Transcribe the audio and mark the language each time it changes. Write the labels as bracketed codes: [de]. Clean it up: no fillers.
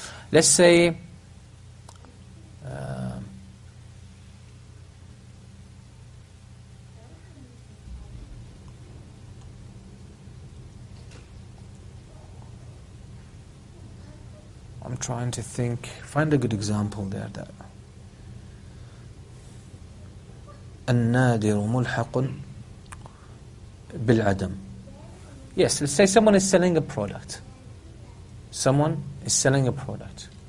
[en] Let's say, I'm trying to think, find a good example there. [ar] That النادر ملحق بالعدم. [en] Yes, let's say someone is selling a product. Someone is selling a product.